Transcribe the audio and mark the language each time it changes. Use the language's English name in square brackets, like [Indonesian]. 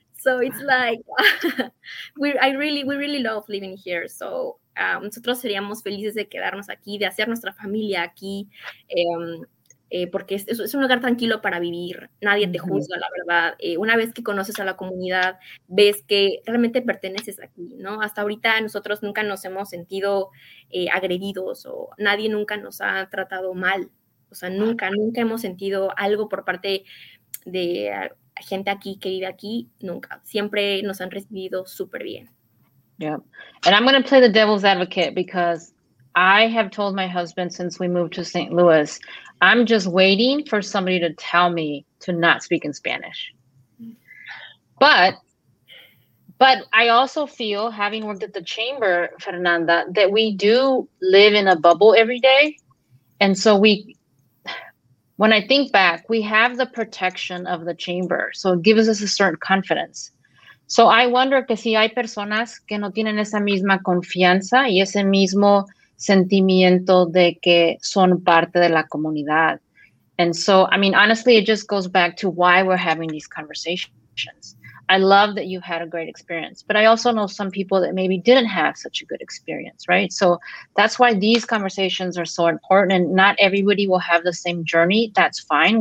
[English] So it's like, we really love living here. [Spanish] So nosotros seríamos felices de quedarnos aquí, de hacer nuestra familia aquí, porque es un lugar tranquilo para vivir. Nadie te juzga, la verdad. Una vez que conoces a la comunidad, ves que realmente perteneces aquí, ¿no? Hasta ahorita nosotros nunca nos hemos sentido agredidos o nadie nunca nos ha tratado mal. O sea, nunca hemos sentido algo por parte de gente aquí que vive aquí, nunca. Siempre nos han recibido súper bien. [English] Yeah. And I'm going to play the devil's advocate because I have told my husband since we moved to St. Louis, I'm just waiting for somebody to tell me to not speak in Spanish. But I also feel, having worked at the chamber, Fernanda, that we do live in a bubble every day. And so when I think back, we have the protection of the chamber. So it gives us a certain confidence. So I wonder [Spanish] que si hay personas que no tienen esa misma confianza y ese mismo sentimiento de que son parte de la comunidad. [English] And so, I mean, honestly, it just goes back to why we're having these conversations. I love that you had a great experience, but I also know some people that maybe didn't have such a good experience, right? So that's why these conversations are so important, and not everybody will have the same journey. That's fine.